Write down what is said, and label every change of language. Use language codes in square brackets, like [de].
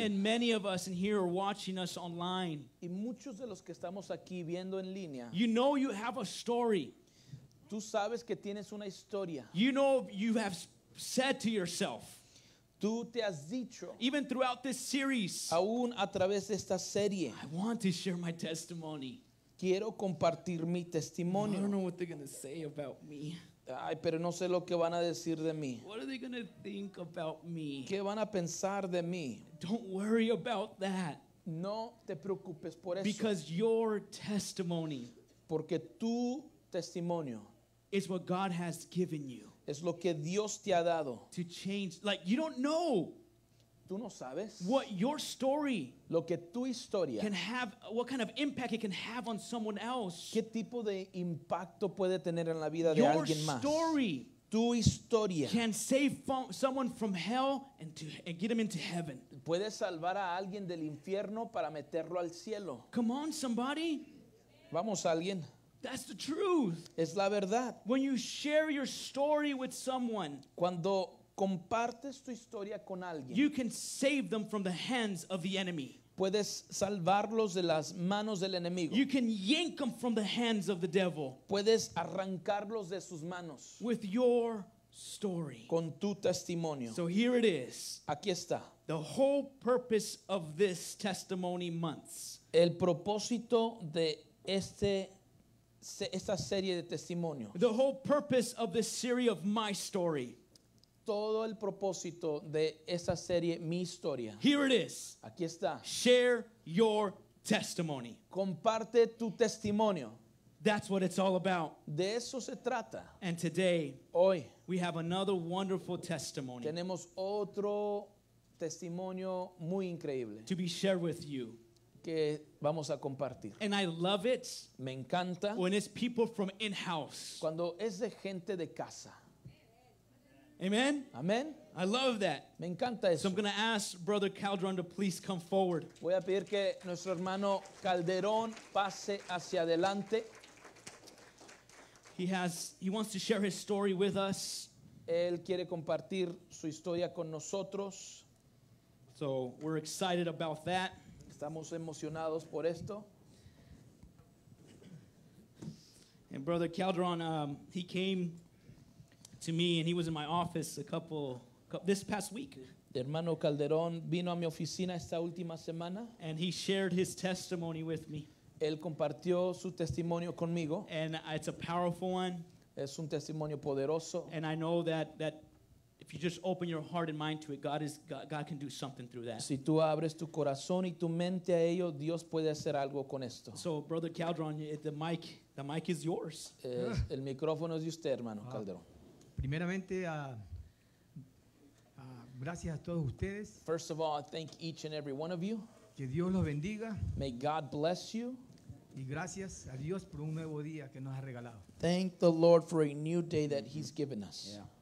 [en] And many of us in here are watching us online. [es] Y muchos de los que estamos aquí viendo en línea, [en] you know you have a story. [es] Tú sabes que tienes una historia. [en] You know you have said to yourself. [es] Tú te has dicho, [en] even throughout this series. [es] Aún a través de esta serie, [en] I want to share my testimony. [es] Quiero compartir mi testimonio. [en] I don't know what they're going to say about me. [es] Ay, pero no sé lo que van a decir de mí. [en] What are they going to think about me? [es] ¿Qué van a pensar de mí? [en] Don't worry about that. [es] No te preocupes por [en] because [es] eso. [en] Because your testimony. [es] Porque tu testimonio. [en] Is what God has given you. [es] Es lo que Dios te ha dado. [en] To change. Like, you don't know. [es] Tú no sabes [en] what your story, [es] lo que tu historia, [en] can have, what kind of impact it can have on someone else. [es] ¿Qué tipo de impacto puede tener en la vida [en] your [es] de alguien más? [en] Story, [es] tu historia, [en] can save someone from hell and get them into heaven. [es] Puede salvar a alguien del infierno para meterlo al cielo. [en] Come on, somebody. [es] Vamos, alguien. [en] That's the truth. [es] Es la verdad. [en] When you share your story with someone, [es] cuando compartes tu historia con alguien, [en] you can save them from the hands of the enemy. [es] Puedes salvarlos de las manos del enemigo. [en] You can yank them from the hands of the devil. [es] Puedes arrancarlos de sus manos. [en] With your story. [es] Con tu testimonio. [en] So here it is. [es] Aquí está. [en] The whole purpose of this testimony months. [es] El propósito de esta serie de testimonios. [en] The whole purpose of this series of my story. [es] Todo el propósito de esta serie, mi historia. [en] Here it is. [es] Aquí está. [en] Share your testimony. [es] Comparte tu testimonio. [en] That's what it's all about. [es] De eso se trata. [en] And today, [es] hoy, [en] we have another wonderful testimony. [es] Tenemos otro testimonio muy increíble. [en] To be shared with you. [es] Que vamos a compartir. [en] And I love it. [es] Me encanta. [en] When it's people from in-house. [es] Cuando es de gente de casa. [en] Amen. [es] Amen. [en] I love that. [es] Me encanta eso. [en] So I'm going to ask Brother Calderon to please come forward. [es] Voy a pedir que nuestro hermano Calderón pase hacia adelante. [en] He wants to share his story with us. [es] Él quiere compartir su historia con nosotros. [en] So we're excited about that. [es] Estamos emocionados por esto. [en] And Brother Calderon, he came to me, and he was in my office this past week. [es] Hermano Calderón vino a mi oficina esta última semana, [en] and he shared his testimony with me. [es] Él compartió su testimonio conmigo, [en] and it's a powerful one. [es] Es un testimonio poderoso, [en] and I know that if you just open your heart and mind to it, God can do something through that. [es] Si tú abres tu corazón y tu mente a ello, Dios puede hacer algo con esto. [en] So, Brother Calderón, the mic is yours. [es] El micrófono es de usted, hermano Calderón. Primeramente, gracias a todos ustedes. [en] First of all, I thank each and every one of you. [es] Que Dios los bendiga. [en] May God bless you. [es] Y gracias a Dios por un nuevo día que nos ha regalado. [en] Thank the Lord for a new day that He's given us.